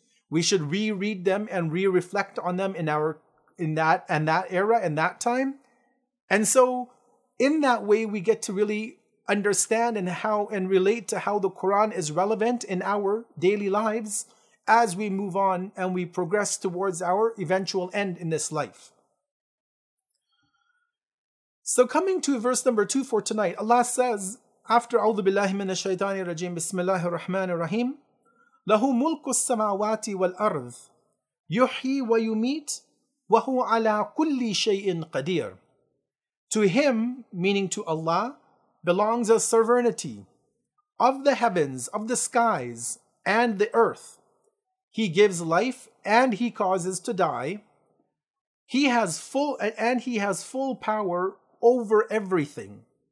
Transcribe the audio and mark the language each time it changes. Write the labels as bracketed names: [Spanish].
[English] We should reread them and re-reflect on them in that era, in that time. And so in that way, we get to really understand and relate to how the Quran is relevant in our daily lives as we move on and we progress towards our eventual end in this life. So coming to verse number 2 for tonight, Allah says, after [Arabic] أعوذ بالله من الشيطان الرجيم بسم الله الرحمن الرحيم له ملك السماوات والأرض يحيي ويميت وهو على كل شيء قدير. [English] To him, meaning to Allah, belongs a sovereignty of the heavens, of the skies, and the earth. He gives life and he causes to die. He has full power over everything.